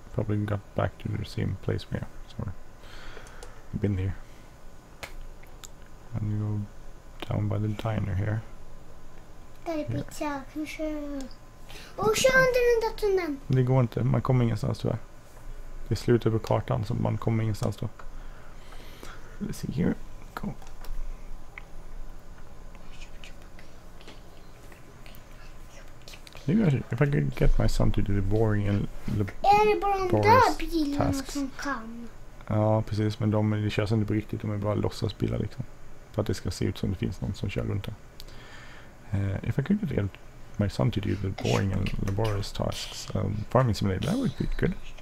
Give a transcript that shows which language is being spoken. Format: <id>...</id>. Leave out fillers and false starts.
<en>Probably got back to the same place we are. Sorry. We've been here. And you go down by the diner here.</en> <sv>Där är pizza. Kan vi köra? Och kör under den där tunneln! Det går inte. Man kommer ingenstans tyvärr. Det är slutet på kartan så man kommer ingenstans då.</sv> <en>Let's see here. Cool. Maybe I should, if I could get my son to do the boring and laborious tasks.</en> <sv>Som kan. Ja, precis. Men det körs inte på riktigt. De är bara låtsasbilar liksom. För att det ska se ut som det finns någon som kör runt där.</sv> <en>If I could get my son to do the boring and laborious tasks of farming simulator, that would be good.</en>